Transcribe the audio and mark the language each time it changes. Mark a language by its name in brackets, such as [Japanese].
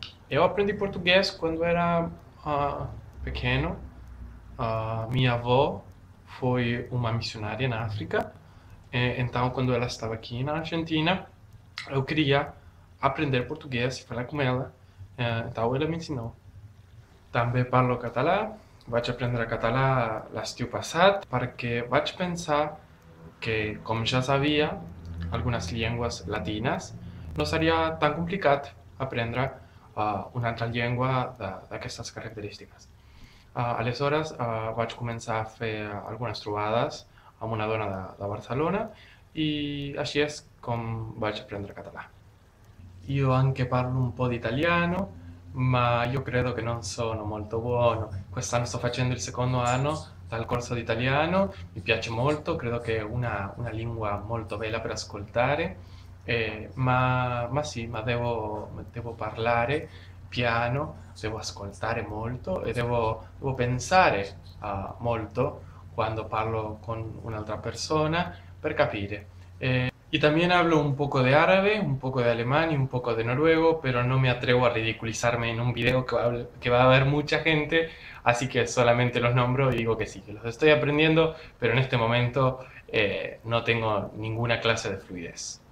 [Spanish] Yo aprendí portugués cuando era pequeño. Mi avó fue una misionaria en África. Entonces, cuando ella estaba aquí en Argentina, yo quería aprender portugués y hablar con ella. Entonces, ella me enseñó. También hablo catalán. [Catalan] Vaig aprendre a català l'estiu passat perquè vaig pensar que, com ja sabia algunes llengües latines, no seria tan complicat aprendre una altra llengua d'aquestes característiques. Aleshores, vaig començar a fer algunes trobades amb una dona de Barcelona i així és com vaig aprendre català. [Italian] Jo, anche parlo un po' d'italiano, ma io credo che non sono molto buono. Quest'anno sto facendo il secondo anno dal corso di italiano, mi piace molto, credo che è una lingua molto bella per ascoltare, ma sì, ma devo parlare piano, devo ascoltare molto e devo pensare molto quando parlo con un'altra persona per capire. [Spanish] Y también hablo un poco de árabe, un poco de alemán y un poco de noruego, pero no me atrevo a ridiculizarme en un video que va a haber mucha gente, así que solamente los nombro y digo que sí, que los estoy aprendiendo, pero en este momento no tengo ninguna clase de fluidez.